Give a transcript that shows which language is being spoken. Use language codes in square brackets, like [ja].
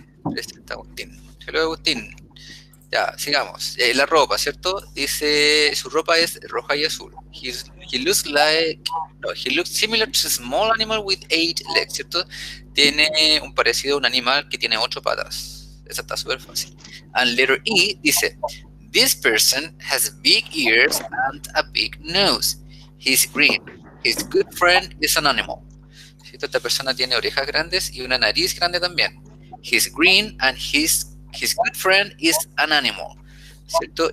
[es] Presenta Agustín. Saludos, Agustín. Ya, sigamos. La ropa, ¿cierto? Dice, su ropa es roja y azul. [en] No, he looks similar to a small animal with eight legs, [es] ¿cierto? Tiene un parecido a un animal que tiene ocho patas. Esa está súper fácil. [en] And letter E dice, this person has big ears and a big nose. He's green. His good friend is an animal. [es] ¿Cierto? Esta persona tiene orejas grandes y una nariz grande también. [en] He's green and his good friend is an animal, [es] ¿cierto?